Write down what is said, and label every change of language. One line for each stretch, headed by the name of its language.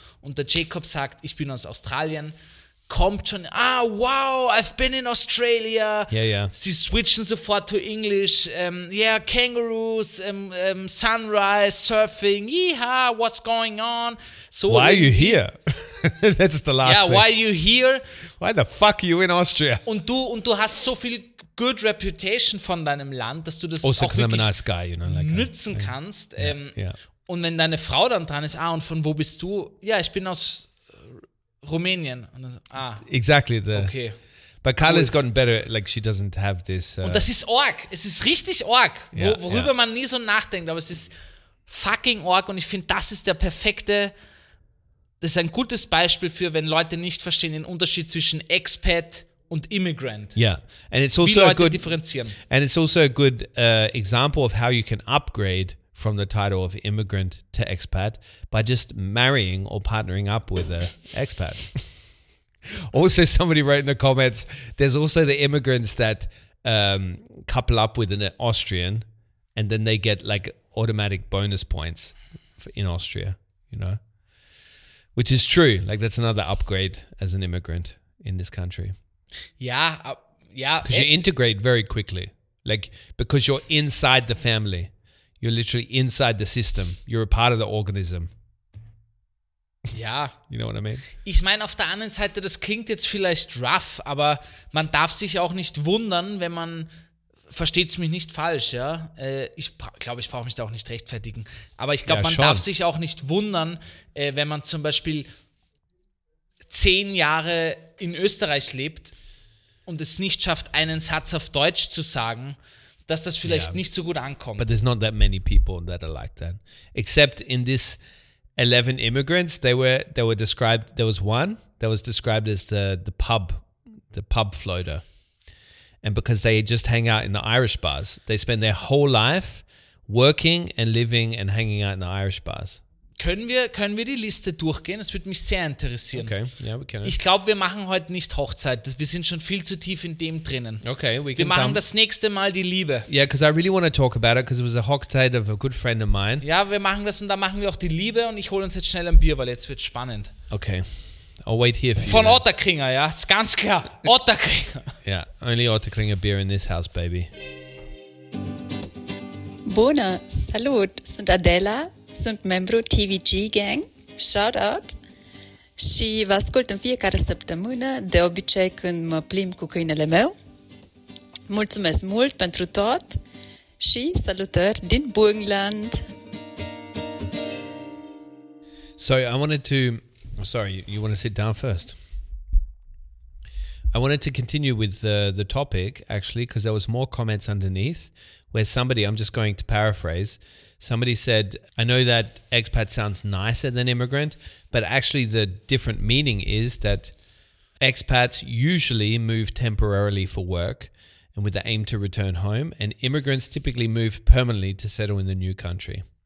German: Und der Jacob sagt, ich bin aus Australien, kommt schon, ah, wow,
English: I've been in Australia. Yeah, yeah.
German: Sie switchen sofort
English: to English. Yeah, kangaroos, sunrise, surfing, yeehaw, what's going on? So why are you here? That's the last thing. Yeah, why are you here? Why the fuck are you in Austria?
German: Und du hast so viel
English: good reputation
German: von deinem Land, dass du das also auch wirklich
English: nice guy, you know, like
German: nützen a, kannst. Yeah, yeah. Und wenn deine Frau dann dran ist, ah, und von wo bist du? Ja, ich bin aus Rumänien. Und dann, ah,
English: exactly. The, okay. But Carla's cool. Gotten better, like she doesn't have this.
German: Und das ist org. Es ist richtig org, worüber man nie so nachdenkt, aber es ist fucking org, und ich finde, das ist der perfekte, das ist ein gutes Beispiel für, wenn Leute nicht verstehen, den Unterschied zwischen Expat und Immigrant.
English: Yeah, and it's also
German: wie
English: a good
German: differenzieren.
English: And it's also a good example of how you can upgrade from the title of immigrant to expat by just marrying or partnering up with an expat. Also, somebody wrote in the comments, there's also the immigrants that couple up with an Austrian, and then they get like automatic bonus points in Austria, you know, which is true. Like that's another upgrade as an immigrant in this country. Yeah, yeah. Because you integrate very quickly, like because you're inside the family, you're literally inside the system. You're a part of the organism. Yeah, you know what I mean.
German: Ich meine, auf der anderen Seite, das klingt jetzt vielleicht rough, aber man darf sich auch nicht wundern, wenn man versteht's mich nicht falsch, ja. Ich glaube, ich brauche mich da auch nicht rechtfertigen. Aber ich glaube, man darf sich auch nicht wundern, wenn man zum Beispiel 10 Jahre in Österreich lebt und es nicht schafft, einen Satz auf Deutsch zu sagen, dass das vielleicht nicht so gut ankommt.
English: But there's not that many people that are like that. Except in this 11 immigrants, they were described, there was one that was described as the pub floater. And because they just hang out in the Irish bars, they spend their whole life working and living and hanging out in the Irish bars.
German: Können wir die Liste durchgehen? Das würde mich sehr interessieren.
English: Okay, yeah, we can.
German: Ich glaube, wir machen heute nicht Hochzeit. Wir sind schon viel zu tief in dem drinnen.
English: Okay, we can.
German: Wir machen das nächste Mal die Liebe.
English: Yeah, because I really want to talk about it, because it was a Hochzeit of a good friend of mine.
German: Ja, wir machen das, und dann machen wir auch die Liebe, und ich hole uns jetzt schnell ein Bier, weil jetzt wird spannend.
English: Okay, I'll wait here for you.
German: Von Otterkringer, ja, ist ganz klar. Otterkringer.
English: Yeah, only Otterkringer beer in this house, baby.
Romanian: Bona, salut, sind Adela. Sunt membru TVG gang,
English: shout out.
Romanian: Și vă ascult în fiecare săptămână, de obicei când mă plimb cu câinele meu. Mulțumesc mult pentru tot și salutări din Burgenland.
English: So, I wanted to, sorry, you want to sit down first. I wanted to continue with the topic, actually, because there was more comments underneath where somebody, I'm just going to paraphrase, somebody said, I know that expat sounds nicer than immigrant, but actually the different meaning is that expats usually move temporarily for work and with the aim to return home, and immigrants typically move permanently to settle in the new country.